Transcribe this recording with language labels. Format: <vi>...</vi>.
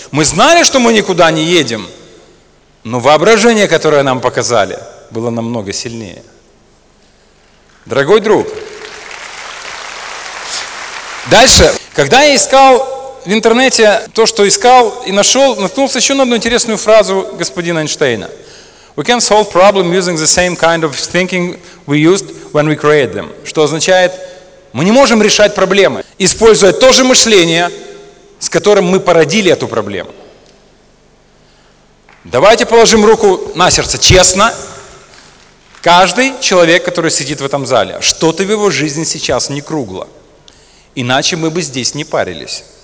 <ru>Мы знали, что мы никуда не едем, но воображение, которое нам показали, было намного сильнее. Дорогой друг... Дальше. Когда я искал в интернете то, что искал, и нашел, наткнулся еще на одну интересную фразу господина Эйнштейна.</ru> <en>We can solve problems using the same kind of thinking we used when we created them.</en> <ru>Что означает, мы не можем решать проблемы, используя то же мышление, с которым мы породили эту проблему. Давайте положим руку на сердце. Честно, каждый человек, который сидит в этом зале, что-то в его жизни сейчас не кругло. Иначе мы бы здесь не парились.</ru>